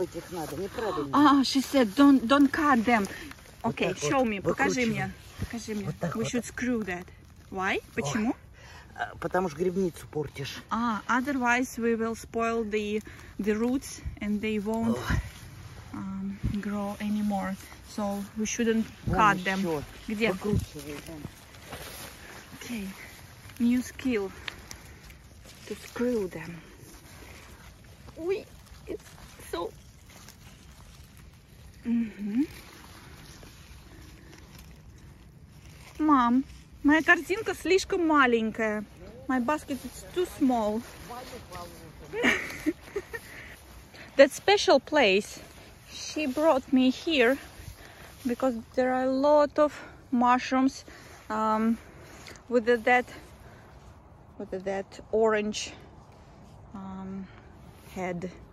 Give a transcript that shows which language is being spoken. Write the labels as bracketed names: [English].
[Russian] Выкручивать их надо, неправильно. [English] She said don't cut them. Okay, [Russian] вот [English] show вот. Me, [Russian] покажи мне. Вот так [English] we [Russian] вот. [English] Should screw that. Why? [Russian] Почему? Потому что грибницу портишь. [English] Otherwise we will spoil the roots and they won't grow anymore. So we shouldn't cut [Russian] еще. [English] Them. [Russian] Где? [English] Okay, new skill. To screw them. Ой, it's so... [Russian] Мам, моя корзинка слишком маленькая. [English] My basket is too small. That special place, she brought me here because there are a lot of mushrooms with that orange head.